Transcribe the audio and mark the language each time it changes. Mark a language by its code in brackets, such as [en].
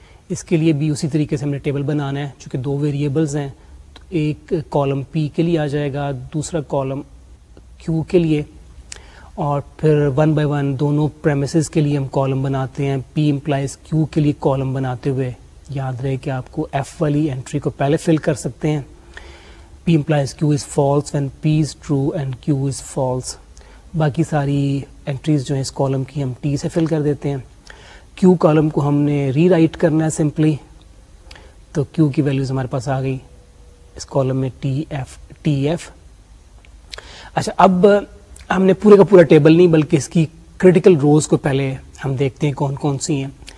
[ur] اس کے لیے بھی اسی طریقے سے ہم نے ٹیبل بنانا ہے. چونکہ دو ویریبلز ہیں, تو ایک کالم پی کے لیے آ جائے گا, دوسرا کالم کیو کے لیے, اور پھر ون بائی ون دونوں پریمسز کے لیے ہم کالم بناتے ہیں. پی امپلائز کیو کے لیے کالم بناتے ہوئے یاد رہے کہ آپ کو ایف والی انٹری کو پہلے فل کر سکتے ہیں. [en] P implies Q is false when P is true and Q is false. [ur] باقی ساری انٹریز جو ہیں اس کالم کی ہم ٹی سے فل کر دیتے ہیں. کیو کالم کو ہم نے ری رائٹ کرنا ہے سمپلی, تو کیو کی ویلیوز ہمارے پاس آ گئی اس کالم میں ٹی ایف. اچھا, اب ہم نے پورے کا پورا ٹیبل نہیں بلکہ اس کی کریٹیکل روز کو پہلے ہم دیکھتے ہیں کون کون سی ہیں.